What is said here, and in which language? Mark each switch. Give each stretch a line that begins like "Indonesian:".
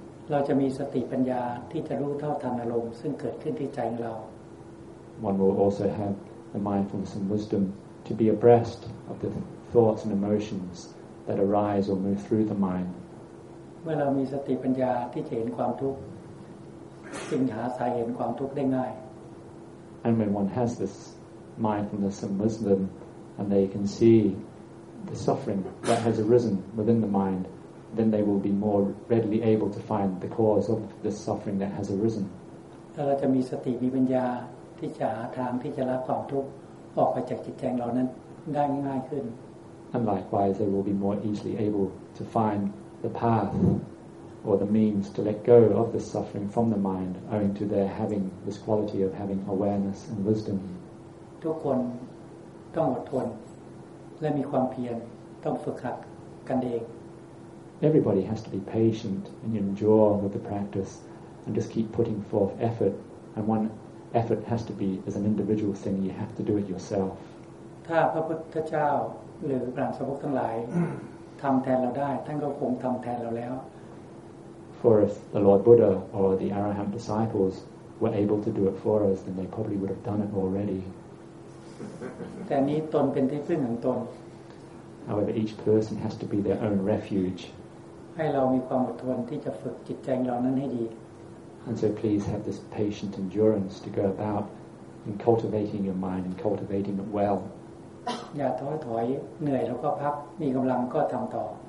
Thai: เราจะมีสติปัญญาที่จะรู้เท่าทันอารมณ์ซึ่งเกิดขึ้นที่ใจของเรา
English: One will also have the mindfulness and wisdom to be abreast of the thoughts and emotions that arise or move through the mind.
Thai: เมื่อเรามีสติปัญญาที่จะเห็นความทุกข์จึงหาสาเหตุความทุกข์ได้ง่าย
English: And when one has this mindfulness and wisdom and they can see the suffering that has arisen within the mind then they will be more readily able to find the cause of the suffering that has arisen
Thai: เราจะมีสติมีปัญญาที่จะหาทางที่จะละความทุกข์ออกไปจากจิตใจเรานั้นได้ง่ายขึ้น
English: And likewise they will be more easily able to findthe path or the means to let go of the suffering from the mind owing to their having this quality of having awareness and wisdom
Thai: ทุกคนต้องอดทนและมีความเพียรต้องฝึกหัดกันเอง
English: Everybody has to be patient and endure with the practice and just keep putting forth effort and one effort has to be as an individual thing you have to do it yourself
Thai: ถ้าพระพุทธเจ้าหรือพระสาวกทั้งหลายทำแทนเราได้ท่านก็คงทำแทนเราแล้ว
English: For if the Lord Buddha or the Arahant disciples were able to do it for us then they probably would have done it already
Thai: แต่นี้ตนเป็นที่พึ่งของตน
English: However each person has to be their own refuge
Thai: ให้เรามีความอดทนที่จะฝึกจิตใจเรานั้นให้ดี
English: And so please have this patient endurance to go about in cultivating your mind and cultivating it well
Thai: อย่าท้อถอยเหนื่อยแล้วก็พักมีกำลังก็ทำต่อ